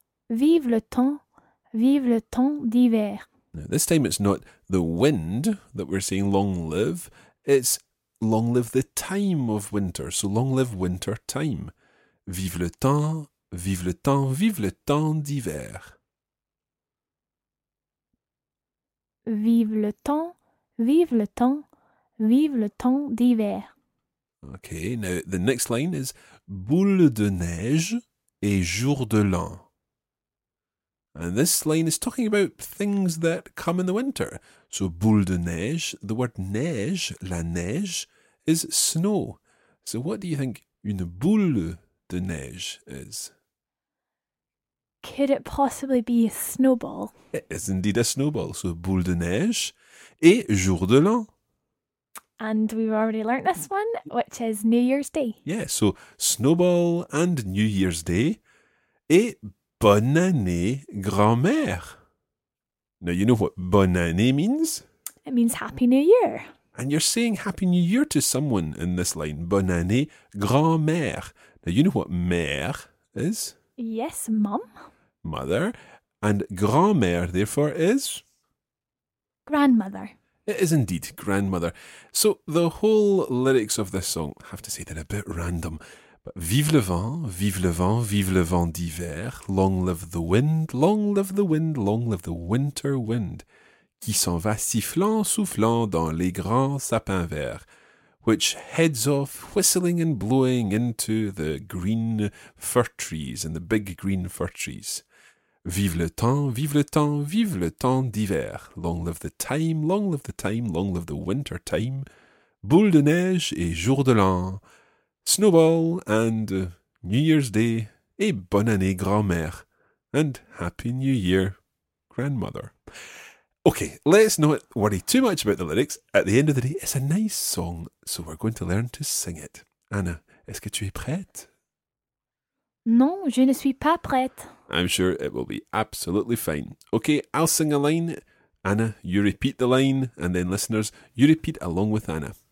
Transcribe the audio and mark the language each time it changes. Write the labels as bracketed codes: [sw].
[fr] Vive le temps, vive le temps d'hiver. [en] Now, this time it's not the wind that we're saying long live, it's long live the time of winter, so long live winter time. [fr] Vive le temps, vive le temps d'hiver. Vive le temps, vive le temps d'hiver. [en] Okay, now the next line is [fr] boule de neige. Et jour de l'an. [en] And this line is talking about things that come in the winter. So boule de neige, the word neige, la neige, is snow. So what do you think une boule de neige is? Could it possibly be a snowball? It is indeed a snowball. [fr] So boule de neige et jour de l'an. [en] And we've already learnt this one, which is New Year's Day. Yeah, so snowball and New Year's Day [fr] et bonne année, grand-mère. [en] Now, you know what bonne année means? It means Happy New Year. And you're saying Happy New Year to someone in this line. [fr] Bonne année, grand-mère. [en] Now, you know what mère is? Yes, mum. Mother. And grand-mère, therefore, is? Grandmother. It is indeed, grandmother. So, the whole lyrics of this song, I have to say, they're a bit random. [fr] Vive le vent, vive le vent, vive le vent d'hiver. [en] Long live the wind, long live the wind, long live the winter wind. [fr] Qui s'en va sifflant, soufflant dans les grands sapins verts. [en] Which heads off whistling and blowing into the green fir trees and the big green fir trees. [fr] Vive le temps, vive le temps, vive le temps d'hiver. [en] Long live the time, long live the time, long live the winter time. [fr] Boule de neige et jour de l'an. [en] Snowball and New Year's Day [fr] et bonne année grand-mère [en] and Happy New Year, grandmother. Okay, let's not worry too much about the lyrics. At the end of the day, it's a nice song, so we're going to learn to sing it. [fr] Anna, est-ce que tu es prête? Non, je ne suis pas prête. [en] I'm sure it will be absolutely fine. Okay, I'll sing a line. Anna, you repeat the line, and then listeners, you repeat along with Anna.